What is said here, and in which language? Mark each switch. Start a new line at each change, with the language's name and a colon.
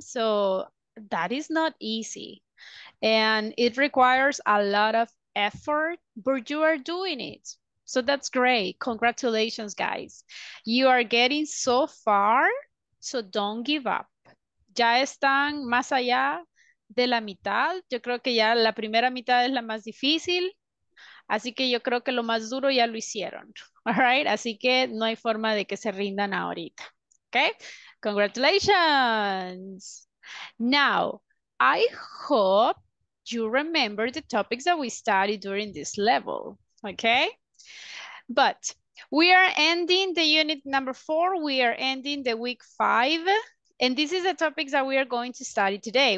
English: So that is not easy. And it requires a lot of effort, but you are doing it. So that's great. Congratulations, guys. You are getting so far, so don't give up.
Spanish: Ya están más allá de la mitad. Yo creo que ya la primera mitad es la más difícil. Así que yo creo que lo más duro ya lo hicieron.
English: All right?
Spanish: Así que no hay forma de que se rindan ahorita.
English: Okay? Congratulations. Now, I hope you remember the topics that we studied during this level. Okay? But we are ending the unit number 4. We are ending the week 5. And this is the topics that we are going to study today.